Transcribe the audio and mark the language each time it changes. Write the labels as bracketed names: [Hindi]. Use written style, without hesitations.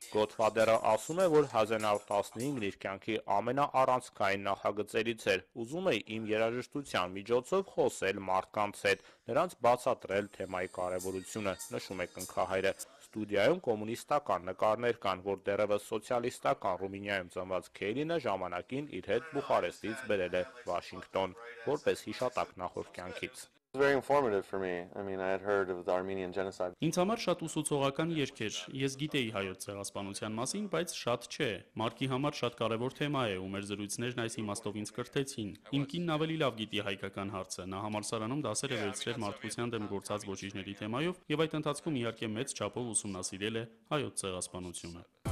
[Armenian] Գոդֆադերը ասում է, որ 1915 իր կյանքի ամենաառանցքային նախագծերից էր, ուզում է իմ երաժշտության միջոցով խոսել մարդկանց հետ, նրանց բացատրել թեմայի կարևորությունը, նշում է Կնքահայրը։ Ստուդիայում կոմունիստական նկարներ կան, որ դեռևս սոցիալիստական Ռումինիայում ծնված Քերինը ժամանակին իր հետ Բուխարեստից բերել է Վաշինգտոն, որպես հիշատակ նախորդ կյանքից։ [English] Very informative for me. I mean, I had heard of the Armenian genocide. [Armenian] Ինձ համար շատ ուսուցողական երգեր։ Ես գիտեի հայոց ցեղասպանության մասին, բայց շատ չէ։ Մարկի համար շատ կարևոր թեմա է, ու մեր զրույցներն այս իմաստով ինձ կրթեցին։ Իմ կինն ավելի լավ գիտի հայկական հարցը։ Նա համալսարանում դասեր է վերցրել մարդկության դեմ գործած ոչիշների թեմայով, և այդ ընթացքում իհարկե մեծ չափով ուսումնասիրել է հայոց ցեղասպանությունը։